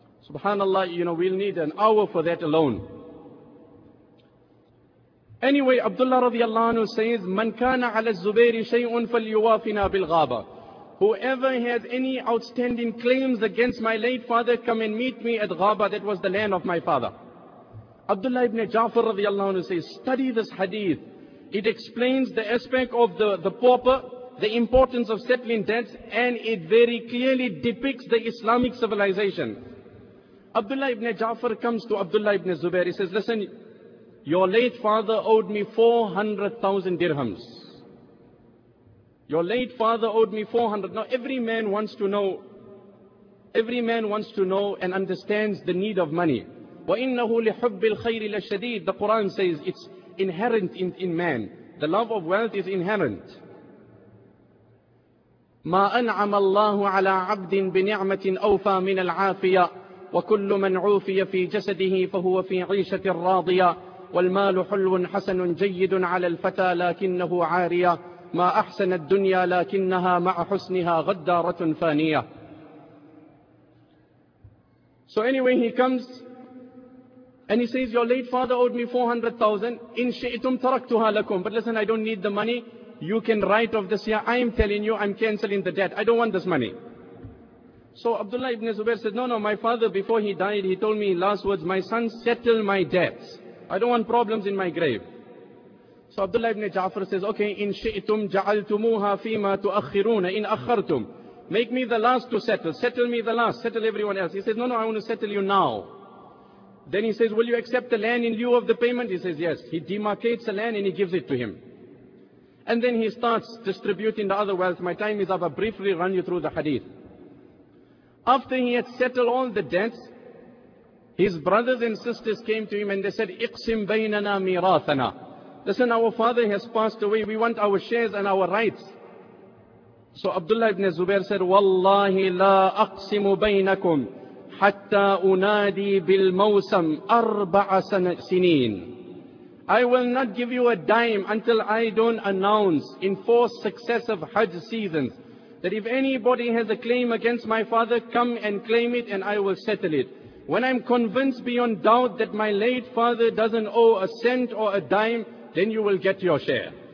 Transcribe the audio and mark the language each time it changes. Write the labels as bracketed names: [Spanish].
[English] Subhanallah, you know, we'll need an hour for that alone. Anyway, Abdullah radiallahu anhu says, [Arabic] مَنْ كَانَ عَلَى الزُّبَيْرِ شَيْءٌ فَلْيُوَافِنَا بِالْغَابَةِ. [English] Whoever has any outstanding claims against my late father, come and meet me at Ghaba, that was the land of my father. Abdullah ibn Ja'far radiallahu anhu says, study this hadith. It explains the aspect of the pauper, the importance of settling debts, and it very clearly depicts the Islamic civilization. Abdullah ibn Ja'far comes to Abdullah ibn Zubair. He says, listen, your late father owed me 400,000 dirhams. Your late father owed me 400. Now every man wants to know. Every man wants to know and understands the need of money. [Arabic] وَإِنَّهُ لِحُبِّ الْخَيْرِ لَشَدِيدٍ [English] The Quran says it's inherent in man. The love of wealth is inherent. [Arabic] مَا أَنْعَمَ اللَّهُ عَلَىٰ عَبْدٍ بِنِعْمَةٍ أَوْفَى مِنَ الْعَافِيَةِ وَكُلُّ مَنْ عُوفِيَ فِي جَسَدِهِ فَهُوَ فِي عِيشَةٍ رَاضِيَةٍ وَالْمَالُ حُلٌّ حَسَنٌ جَيِّدٌ عَلَى الْفَتَى لَكِنَّهُ عَارِيَةٌ مَا أَحْسَنَ الدُّنْيَا لَكِنَّهَا مَعَ حُسْنِهَا غَدَّارَةٌ فَانِيَةٌ [English] So anyway, he comes and he says, your late father owed me 400,000. [Arabic] إِنْ شِئْتُمْ تَرَكْتُهَا لَكُمْ [English] But listen, I don't need the money. You can write off this year. I am telling you, I'm canceling the debt. I don't want this money. So Abdullah ibn Zubair said, no, my father, before he died, he told me in last words, my son, settle my debts. I don't want problems in my grave. So Abdullah ibn Ja'far says, okay, [Arabic] in shi'tum ja'altumuha fima tu'akhiruna, in akhartum. [English] Make me the last to settle. Settle me the last. Settle everyone else. He says, no, I want to settle you now. Then he says, will you accept the land in lieu of the payment? He says, yes. He demarcates the land and he gives it to him. And then he starts distributing the other wealth. My time is up. I'll briefly run you through the hadith. After he had settled all the debts, his brothers and sisters came to him and they said, [Arabic] اقسم بيننا ميراثنا. [English] Listen, our father has passed away. We want our shares and our rights. So Abdullah ibn Zubair said, [Arabic] والله لا اقسم بينكم حتى انادي بالموسم اربع سنين. [English] I will not give you a dime until I don't announce in four successive Hajj seasons that if anybody has a claim against my father, come and claim it and I will settle it. When I'm convinced beyond doubt that my late father doesn't owe a cent or a dime, then you will get your share.